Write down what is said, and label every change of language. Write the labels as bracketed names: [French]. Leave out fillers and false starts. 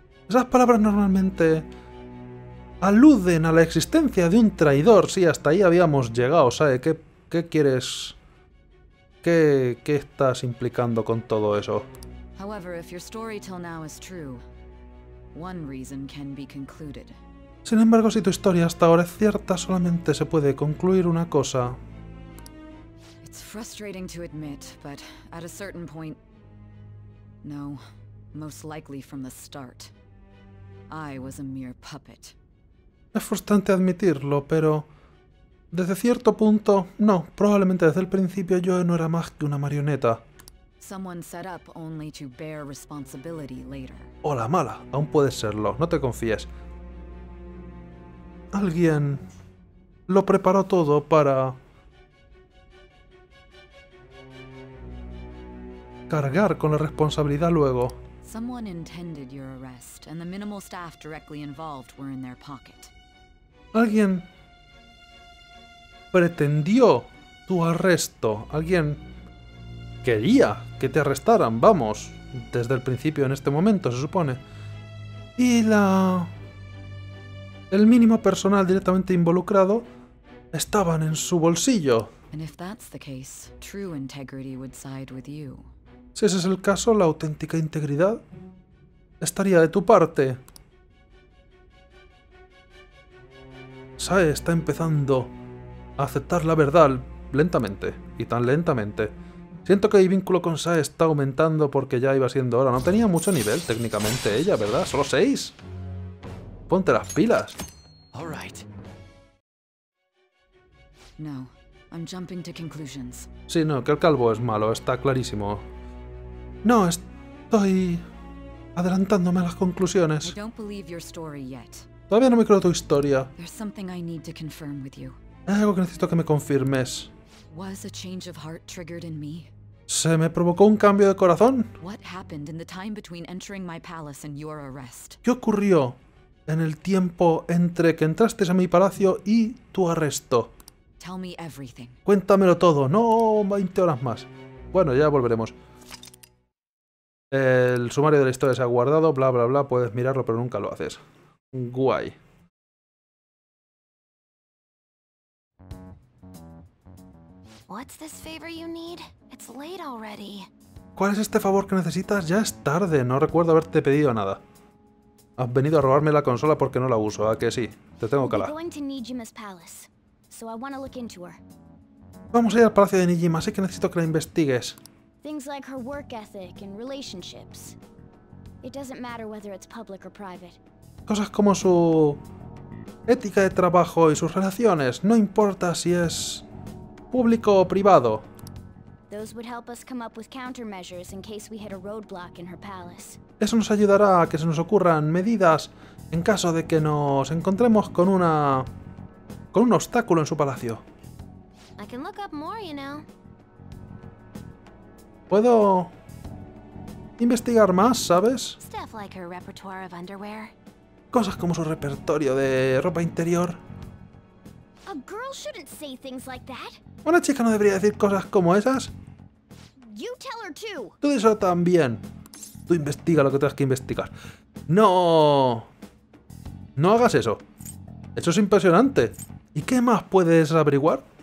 [Spanish] Esas palabras normalmente aluden a la existencia de un traidor. Sí, hasta ahí habíamos llegado, ¿sabes? ¿Qué quieres? ¿Qué estás implicando con todo eso? [English] However, if your story till now is true, one reason can be concluded. [Spanish] Sin embargo, si tu historia hasta ahora es cierta, solamente se puede concluir una cosa. [English] It's frustrating to admit, but at a certain point, no, most likely from the start, I was a mere puppet. [Spanish] Es frustrante admitirlo, pero desde cierto punto, no, probablemente desde el principio yo no era más que una marioneta. [English] Someone set up only to bear responsibility later. [Spanish] Hola, mala, aún puedes serlo, no te confíes. Alguien lo preparó todo para cargar con la responsabilidad luego. [English] Someone intended your arrest, and the minimal staff directly involved were in their pocket. [Spanish] Alguien pretendió tu arresto. Alguien quería que te arrestaran, vamos, desde el principio en este momento, se supone. Y la el mínimo personal directamente involucrado estaban en su bolsillo. And if that's the case, true integrity would side with you. Si ese es el caso, la auténtica integridad estaría de tu parte. Sae está empezando a aceptar la verdad lentamente y tan lentamente. Siento que mi vínculo con Sae está aumentando porque ya iba siendo hora. No tenía mucho nivel técnicamente ella, ¿verdad? ¡Solo 6! ¡Ponte las pilas! [English] All right. No, I'm jumping to conclusions. [Spanish] Sí, no, que el calvo es malo, está clarísimo. No, estoy adelantándome a las conclusiones. [English] I don't believe your story yet. [Spanish] Todavía no me creo tu historia. [English] There's something I need to confirm with you. [Spanish] Hay algo que necesito que me confirmes. [English] Was a change of heart triggered in me? [Spanish] ¿Se me provocó un cambio de corazón? [English] What happened in the time between entering my palace and your arrest? [Spanish] ¿Qué ocurrió en el tiempo entre que entraste a mi palacio y tu arresto? [English] Tell me everything. [Spanish] Cuéntamelo todo, no 20 horas más. Bueno, ya volveremos. El sumario de la historia se ha guardado, bla bla bla, puedes mirarlo pero nunca lo haces. Guay. [English] What's this favor you need? It's late already. [Spanish] ¿Cuál es este favor que necesitas? Ya es tarde, no recuerdo haberte pedido nada. Has venido a robarme la consola porque no la uso, ¿a que sí? Te tengo que hablar. [English] Going to Nijima's palace, so I want to look into her. [Spanish] Vamos a ir al palacio de Nijima, así que necesito que la investigues. [English] Things like her work ethic and relationships. It doesn't matter whether it's public or private. [Spanish] Cosas como su ética de trabajo y sus relaciones, no importa si es público o privado. [English] Those would help us come up with countermeasures in case we hit a roadblock in her palace. [Spanish] Eso nos ayudará a que se nos ocurran medidas en caso de que nos encontremos con una con un obstáculo en su palacio. [English] I can look up more, you know. [Spanish] Puedo investigar más, ¿sabes? [English] Stuff like her repertoire of underwear. [Spanish] Cosas como su repertorio de ropa interior. [English] A girl shouldn't say things like that. [Spanish] Una chica no debería decir cosas como esas. [English] You tell her too. [Spanish] Tú díselo también. Tú investiga lo que tengas que investigar. ¡No! No hagas eso. Eso es impresionante. ¿Y qué más puedes averiguar?